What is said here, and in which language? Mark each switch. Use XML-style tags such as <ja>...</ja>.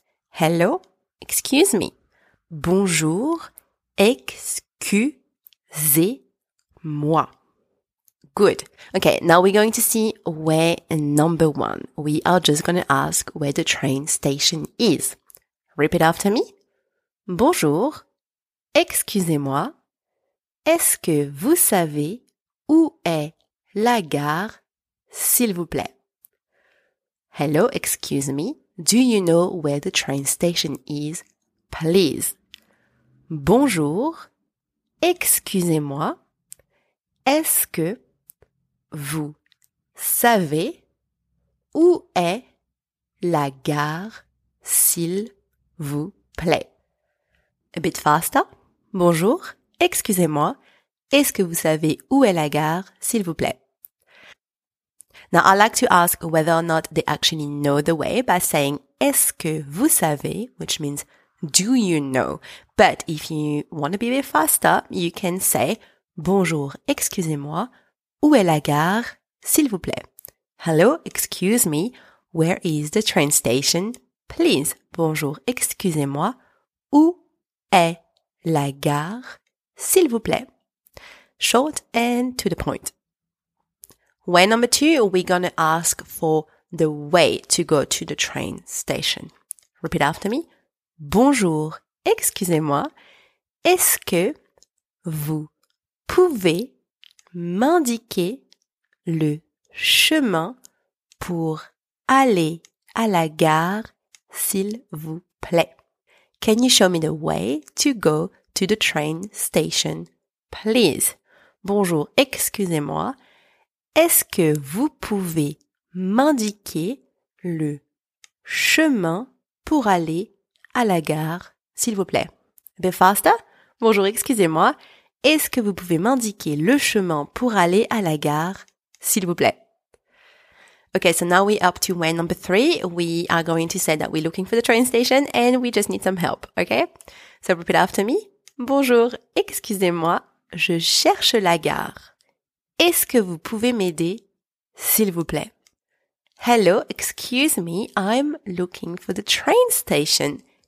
<en>Hello, excuse me.</en> <fr>Bonjour, excusez-moi.</fr> <en>Good. Okay, now we're going to see where number one. We are just going to ask where the train station is. Repeat after me.</en> <fr>Bonjour, excusez-moi. Est-ce que vous savez où est la gare, s'il vous plaît?</fr> <en>Hello, excuse me. Do you know where the train station is, please?</en> <fr>Bonjour, excusez-moi. Est-ce que vous savez où est la gare, s'il vous plaît?</fr> <en>A bit faster.</en> <fr>Bonjour, excusez-moi. Est-ce que vous savez où est la gare, s'il vous plaît?</fr> <en>Now, I like to ask whether or not they actually know the way by saying,</en> <fr>est-ce que vous savez,</fr> <en>which means, do you know? But if you want to be a bit faster, you can say,</en> <fr>bonjour, excusez-moi, où est la gare, s'il vous plaît?</fr> <en>Hello, excuse me, where is the train station, please?</en> <fr>Bonjour, excusez-moi, où est la gare, s'il vous plaît?</fr> <en>Short and to the point. Way number two, we're going to ask for the way to go to the train station. Repeat after me.</en> <fr>Bonjour, excusez-moi. Est-ce que vous pouvez m'indiquer le chemin pour aller à la gare, s'il vous plaît?</fr> <en>Can you show me the way to go to the train station, please?</en> <fr>Bonjour, excusez-moi. Est-ce que vous pouvez m'indiquer le chemin pour aller à la gare, s'il vous plaît?</fr> <en>A bit faster.</en> <fr>Bonjour, excusez-moi. Est-ce que vous pouvez m'indiquer le chemin pour aller à la gare, s'il vous plaît?</fr> <en>Okay, so now we're up to way number three. We are going to say that we're looking for the train station and we just need some help, okay? So repeat after me.</en> <fr>Bonjour, excusez-moi. Je cherche la gare. Est-ce que vous pouvez m'aider, s'il vous plaît?</fr> <en>Hello, excuse me, I'm looking for the train station.</en>